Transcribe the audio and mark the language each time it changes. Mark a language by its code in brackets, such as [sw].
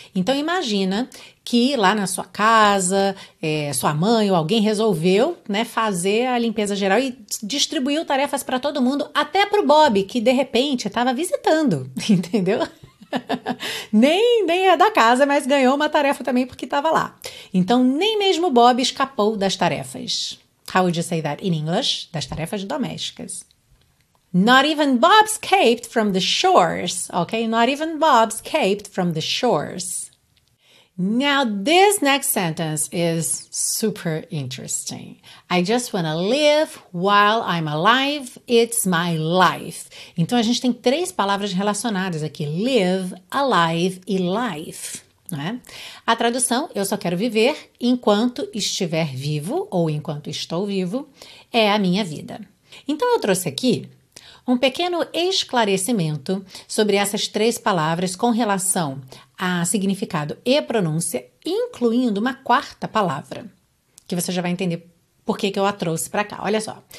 [pt] Então, imagina que lá na sua casa, sua mãe ou alguém resolveu, né, fazer a limpeza geral e distribuiu tarefas para todo mundo, até para o Bob, que de repente estava visitando, entendeu? Nem é da casa, mas ganhou uma tarefa também porque estava lá. Então, nem mesmo o Bob escapou das tarefas. [en] How would you say that in English? [pt] Das tarefas domésticas. [en] Not even Bob escaped from the chores, ok? Not even Bob escaped from the chores. Now, this next sentence is super interesting. I just wanna live while I'm alive. It's my life. [pt] Então, a gente tem três palavras relacionadas aqui. Live, alive e life. A tradução, eu só quero viver enquanto estiver vivo ou enquanto estou vivo, é a minha vida. Então eu trouxe aqui um pequeno esclarecimento sobre essas três palavras com relação a significado e pronúncia, incluindo uma quarta palavra, que você já vai entender por que que eu a trouxe para cá. Olha só.